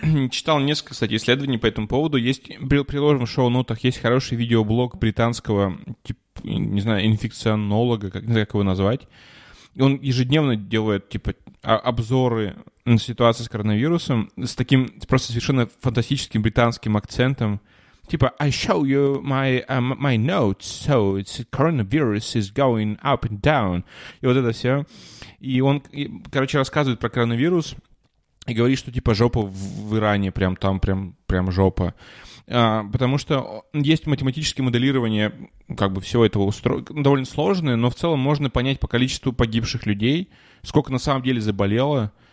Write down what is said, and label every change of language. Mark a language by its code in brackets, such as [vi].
[ru] Читал несколько, кстати, исследований по этому поводу. Есть, приложим в шоу-нотах, есть хороший видеоблог британского, типа, не знаю, инфекционолога, как, не знаю, как его назвать. Он ежедневно делает, типа, обзоры на ситуацию с коронавирусом с таким просто совершенно фантастическим британским акцентом. Типа, [en] I show you my notes, so it's coronavirus is going up and down. [ru] И вот это все. И он, короче, рассказывает про коронавирус и говорит, что типа жопа в Иране, прям там прям жопа. Потому что есть математическое моделирование как бы всего этого довольно сложное, но в целом можно понять по количеству погибших людей, сколько на самом деле заболело,